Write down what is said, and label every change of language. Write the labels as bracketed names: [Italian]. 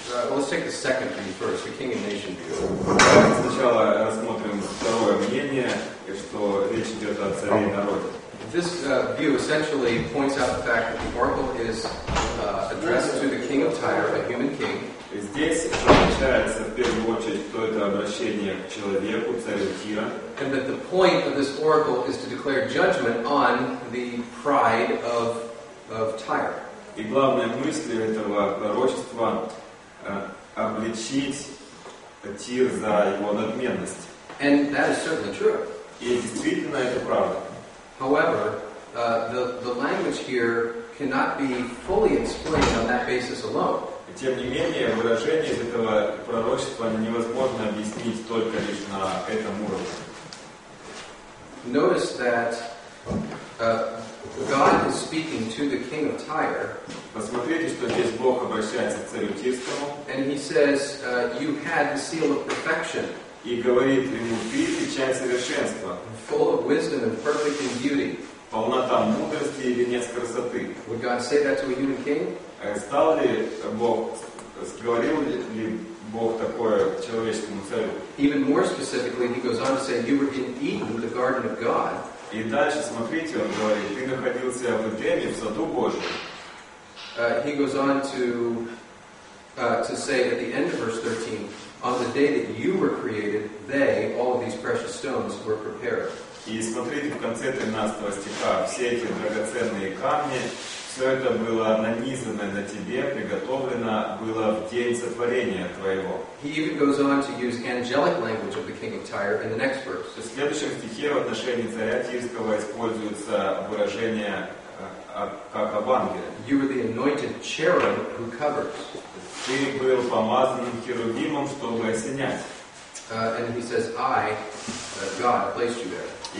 [English] Let's take the second view first, the king and nation view. [Russian] Давайте сначала рассмотрим второе мнение, что речь идет о царе и народе. [English] This view essentially points out the fact that the oracle is addressed to the king of Tyre, a human king. [Russian] Здесь отмечается в первую очередь, что это обращение к человеку, царю Тира. [English] And that the point of this oracle is to declare judgment on the pride of Tyre. [Russian] И главная мысль этого пророчества обличить Тир за его надменность. [English] And that is certainly true. [Russian] И действительно это правда. [English] However, the language here cannot be fully explained on that basis alone. [Russian] Тем не менее, выражение из этого пророчества невозможно объяснить только лишь на этом уровне. [English] Notice that God is speaking to the king of Tyre. [Russian] Посмотрите, что здесь Бог обращается к царю Тирскому. [English] And he says, you had the seal of perfection. [Russian] И говорит ему, ты печать совершенства. [English] Full of wisdom and perfect in beauty. [Russian] Полнота мудрости и венец красоты. [English] Would God say that to a human king? [Russian] Стал ли Бог, говорил ли Бог такое человеческому царю? [English] Even more specifically, he goes on to say, you were in Eden, the garden of God. [Russian] И дальше, смотрите, он говорит, ты находился в Эдеме, в саду Божьем. [English] He goes on to say at the end of verse 13, on the day that you were created, they, all of these precious stones, were prepared. [Russian] И смотрите, в конце 13 стиха, все эти драгоценные камни, все это было нанизано на тебе, приготовлено было в день сотворения твоего. [English] He even goes on to use angelic language of the king of Tyre in the next verse. [Russian] В следующем стихе в отношении царя Тирского используется выражение как об ангеле. [English] You were the anointed cherub who covers. [Russian] Ты был помазанным херувимом, чтобы осенять. [English] And he says, I, God, placed you there.